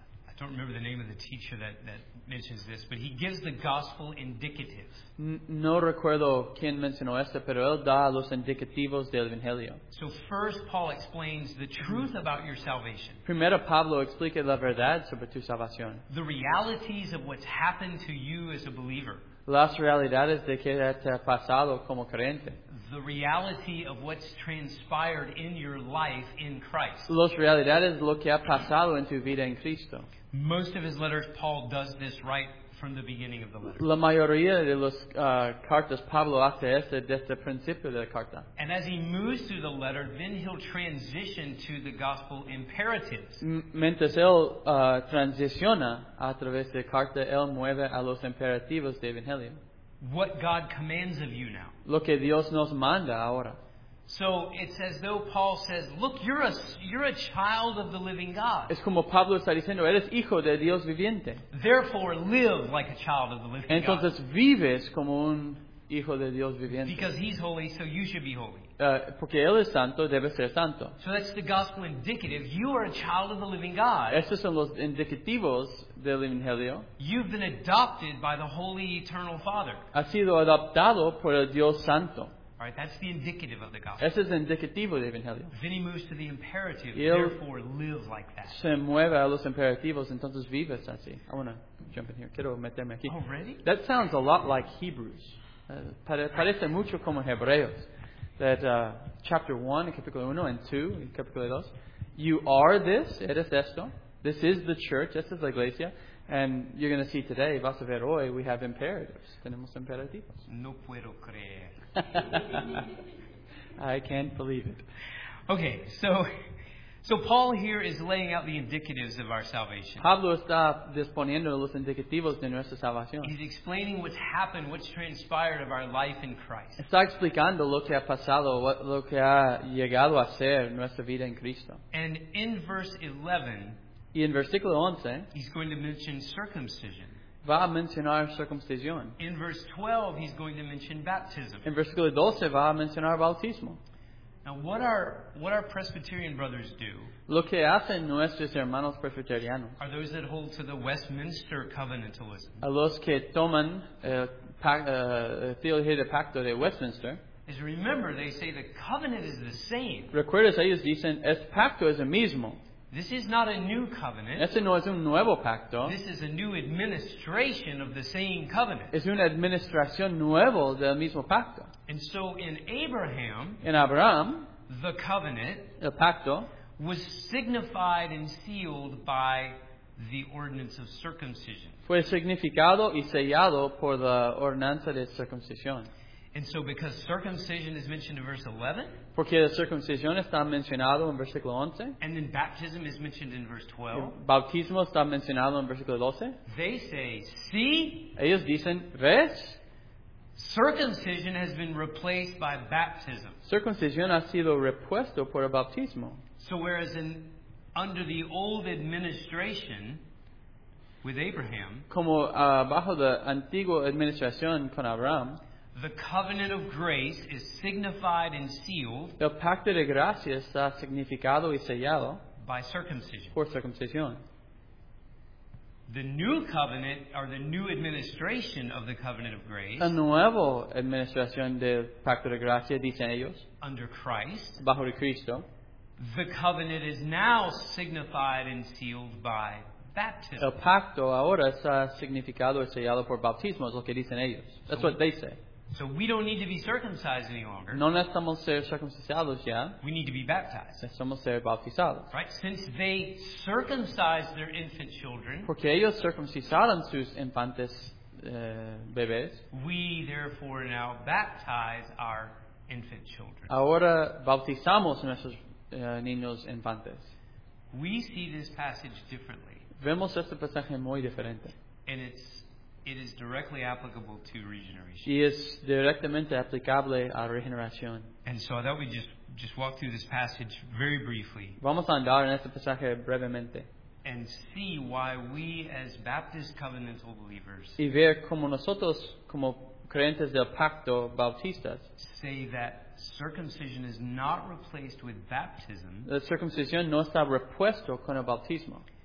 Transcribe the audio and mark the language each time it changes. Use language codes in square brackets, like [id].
[en] I don't remember the name of the teacher that mentions this, but he gives the gospel indicatives. [es] No recuerdo quién mencionó esto, pero él da los indicativos del evangelio. [en] So first, Paul explains the truth about your salvation. [es] Primero, Pablo explica la verdad sobre tu salvación. [en] The realities of what's happened to you as a believer. [es] Las realidades de que te ha pasado como creyente. [en] The reality of what's transpired in your life in Christ. [es] Las realidades de lo que ha pasado en tu vida en Cristo. [en] Most of his letters, Paul does this right from the beginning of the letter. [es] La mayoría de las cartas, Pablo hace esto desde el principio de la carta. [en] And as he moves through the letter, then he'll transition to the gospel imperatives. [es] Mientras él transiciona a través de la carta, él mueve a los imperativos del Evangelio. [en] What God commands of you now. [es] Lo que Dios nos manda ahora. [en] So it's as though Paul says, look, you're a child of the living God. [es] Es como Pablo está diciendo, eres hijo de Dios viviente. [en] Therefore, live like a child of the living [es] Entonces, [en] God. [es] Entonces, vives como un hijo de Dios viviente. [en] Because he's holy, so you should be holy. [es] Porque él es santo, debe ser santo. [en] So that's the gospel indicative. You are a child of the living God. [es] Estos son los indicativos del evangelio. [en] You've been adopted by the holy eternal Father. [es] Has sido adoptado por el Dios santo. [en] All right, that's the indicative of the gospel. [es] Ese es indicativo del evangelio. [en] Then he moves to the imperative. Therefore, live like that. [es] Se mueve a los imperativos, entonces vives así. [en] I want to jump in here. [es] Quiero meterme aquí. [en] Already? That sounds a lot like Hebrews. [es] Parece mucho como Hebreos. [en] That chapter 1, capítulo 1 and 2, capítulo 2. You are this, [es] eres esto. [en] This is the church, [es] esta es la iglesia. [en] And you're going to see today, [es] vas a ver hoy, [en] we have imperatives. [es] Tenemos imperativos. No puedo creer. [en] I can't believe it. Okay, so Paul here is laying out the indicatives of our salvation. [es] Pablo está disponiendo los indicativos de nuestra salvación. [en] He's explaining what's happened, what's transpired of our life in Christ. [es] Está explicando lo que ha pasado, lo que ha llegado a ser nuestra vida en Cristo. [en] And in verse 11, [es] y en versículo 11, [en] he's going to mention circumcision. [es] Va a mencionar circuncisión. [en] In verse 12, he's going to mention baptism. [es] En versículo 12, va a mencionar bautismo. [en] what our Presbyterian brothers do, [es] lo que hacen nuestros hermanos presbiterianos, [en] are those that hold to the Westminster Covenantalism, [es] a los que toman teología de pacto de Westminster, [en] is remember they say the covenant is the same. [es] Recuerda, ellos dicen el pacto es el mismo. [en] This is not a new covenant. [es] Este no es un nuevo pacto. [en] This is a new administration of the same covenant. [es] Es una administración nueva del mismo pacto. [en] And so in Abraham, the covenant, [es] el pacto, [en] was signified and sealed by the ordinance of circumcision. [es] Fue significado y sellado por la ordenanza de circuncisión. [en] And so because circumcision is mentioned in verse 11, [es] porque la circuncisión está mencionado en versículo 11, [en] and then baptism is mentioned in verse 12, [es] el bautismo está mencionado en versículo 12, [en] they say, see, [es] ellos dicen, ¿ves? [en] Circumcision has been replaced by baptism. [es] Circuncisión ha sido repuesto por el bautismo. [en] So whereas in under the old administration with Abraham, [es] como bajo la antigua administración con Abraham, [en] the covenant of grace is signified and sealed, [es] el pacto de gracia está significado y sellado, [en] by circumcision. [es] Por circuncisión. [en] The new covenant, or the new administration of the covenant of grace, [es] la nueva administración del pacto de gracia, dicen ellos, [en] under Christ, [es] bajo de Cristo, [en] the covenant is now signified and sealed by baptism. [es] El pacto ahora está significado y sellado por bautismo, es lo que dicen ellos. [en] That's what they say. So we don't need to be circumcised any longer. [es] No necesitamos ser circuncisados ya. [en] We need to be baptized. [es] Necesitamos ser bautizados. [en] Right? Since they circumcised their infant children, [es] porque ellos circuncisaron sus infantes bebés, [en] we therefore now baptize our infant children. [es] Ahora bautizamos nuestros niños infantes. [en] We see this passage differently. [es] Vemos este pasaje muy diferente. [en] And it is directly applicable to regeneration. [es] Y es directamente aplicable a regeneración. [en] And so I thought we'd just walk through this passage very briefly. [es] Vamos a andar en este pasaje brevemente. [en] And see why we as Baptist covenantal believers, [es] y ver cómo nosotros como creyentes del pacto bautistas, [en] say that circumcision is not replaced with baptism. [es] La circuncisión no está repuesto con el bautismo.